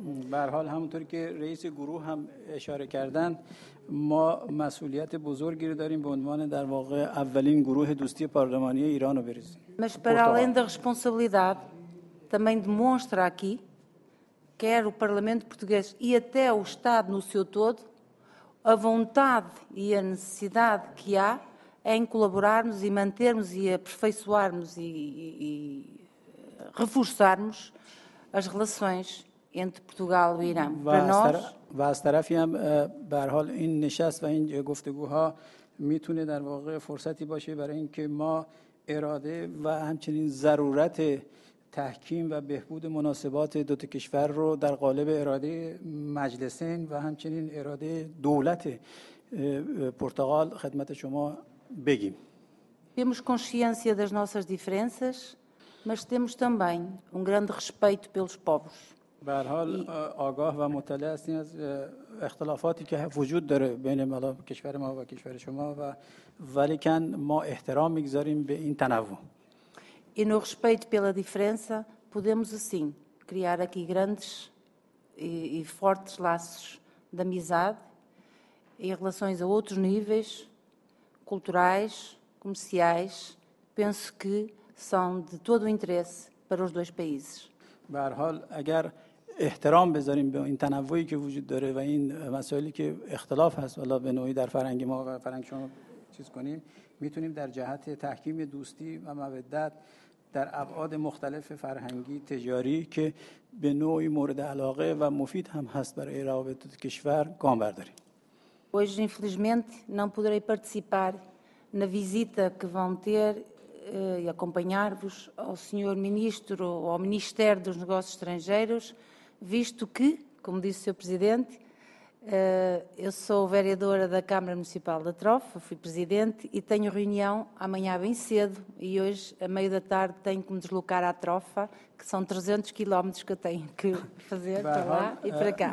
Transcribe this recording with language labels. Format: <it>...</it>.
<fa>برحال همونطور که رئیس گروه هم اشاره کردند، ما مسئولیت بزرگی رو داریم به عنوان در واقع اولین گروه دوستی پارلمانی ایران رو بریزیم.</fa> <pt>Mas para além da responsabilidade, também demonstra aqui, quer o Parlamento Português e até o Estado no seu todo, a vontade e a necessidade que há em colaborarmos e mantermos e aperfeiçoarmos e reforçarmos as relações entre Portugal e Irã. Para nós,</pt> <fa>و از طرفی هم به هر حال این نشست و این گفتگوها میتونه در واقع فرصتی باشه برای اینکه ما اراده و همچنین ضرورت تحکیم و بهبود مناسبات دو تا کشور رو در قالب اراده مجلسین و همچنین اراده دولت پرتغال خدمت شما بگیم.</fa> <pt>Temos consciência das nossas diferenças, mas temos também grande respeito pelos povos.</pt> <fa>به هر حال آگاه و مطلع هستیم از اختلافاتی که وجود داره بین کشور ما و کشور شما و ولیکن ما احترام میگذاریم به این تنوع.</fa> <pt>E no respeito pela diferença, podemos assim criar aqui grandes e fortes laços de amizade e relações a outros níveis culturais, comerciais, penso que são de todo o interesse para os dois países.</pt> <fa>به هر حال اگر احترام بذاریم به این تنوعی که وجود داره و این مسائلی که اختلاف هست والا به نوعی در فرهنگ ما و فرهنگ شما چیز کنیم، میتونیم در جهت تحکیم دوستی و مودت در ابعاد مختلف فرهنگی تجاری که به نوعی مورد علاقه و مفید هم هست برای روابط کشور گام برداریم.</fa> <pt>Hoje infelizmente não poderei participar na visita que vão ter e acompanhar-vos ao senhor ministro ou ao Ministério dos Negócios Estrangeiros, visto que, como disse o senhor presidente, Eu sou vereadora da Câmara Municipal da Trofa, fui presidente e tenho reunião amanhã bem cedo e hoje, a meio da tarde, tenho que me deslocar à Trofa, que são 300 quilómetros que eu tenho que fazer para lá e para cá.</pt>